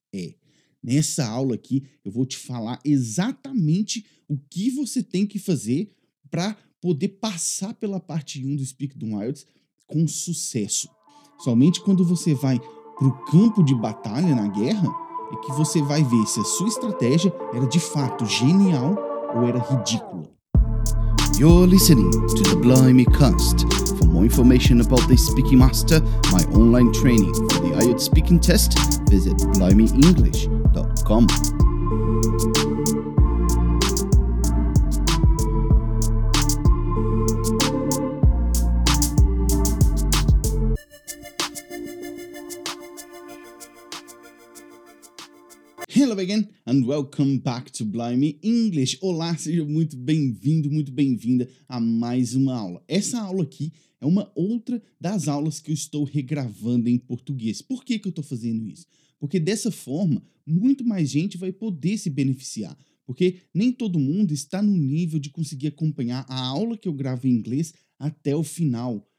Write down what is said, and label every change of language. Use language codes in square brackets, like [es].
[pt] É, nessa aula aqui eu vou te falar exatamente o que você tem que fazer para poder passar pela parte 1 do Speaking do IELTS com sucesso. Somente quando você vai para o campo de batalha na guerra é que você vai ver se a sua estratégia era de fato genial ou era ridícula. [en] You're listening to the Blimey Cast. For more information about the Speaking Master, my online training for the IELTS speaking test, visit blimeyenglish.com. Hello again and welcome back to Blimey English. [pt] Olá, seja muito bem-vindo, muito bem-vinda a mais uma aula. Essa aula aqui é uma outra das aulas que eu estou regravando em português. Por que que eu estou fazendo isso? Porque dessa forma, muito mais gente vai poder se beneficiar. Porque nem todo mundo está no nível de conseguir acompanhar a aula que eu gravo em inglês até o final.